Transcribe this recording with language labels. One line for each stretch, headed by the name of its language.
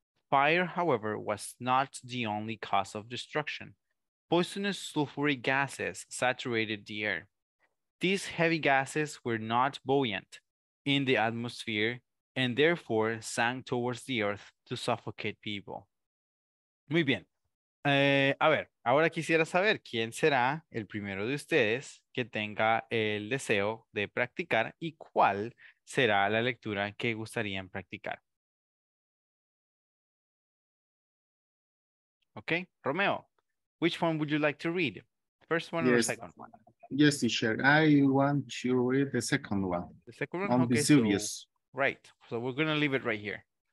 English: Fire, however, was not the only cause of destruction. Poisonous sulfuric gases saturated the air. These heavy gases were not buoyant in the atmosphere and therefore sank towards the earth to suffocate people.
Spanish: Muy bien. A ver, ahora quisiera saber quién será el primero de ustedes que tenga el deseo de practicar y cuál será la lectura que gustarían practicar.
English: Okay, Romeo, which one would you like to read? First one, yes, or second one? Yes, teacher, I want to read the second one. The second one? On Vesuvius. So, right, so we're going to leave it right here.